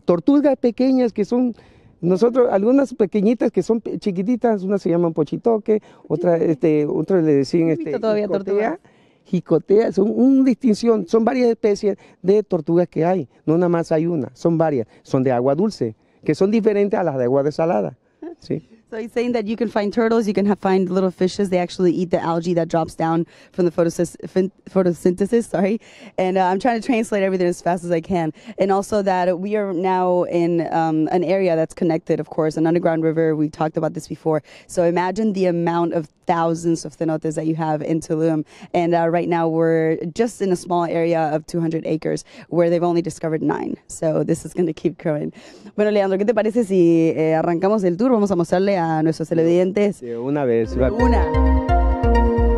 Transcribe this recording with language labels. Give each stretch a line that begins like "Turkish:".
Spanish: Tortugas pequeñas que son, nosotros, algunas pequeñitas que son chiquititas, una se llama pochitoque, otra, otra le decían jicotea, son una distinción, son varias especies de tortugas que hay, no nada más hay una, son varias, son de agua dulce, que son diferentes a las de agua de salada. Sí.
English: So he's saying that you can find turtles, you can find little fishes. They actually eat the algae that drops down from the photosynthesis. Sorry, and I'm trying to translate everything as fast as I can. And also that we are now in an area that's connected, of course, an underground river. We talked about this before. So imagine the amount of thousands of cenotes that you have in Tulum. And right now we're just in a small area of 200 acres where they've only discovered 9. So this is going to keep growing.
Spanish: Bueno, Leandro, ¿qué te parece si arrancamos el tour? Vamos a mostrarle a nuestros televidentes. De una vez. Una.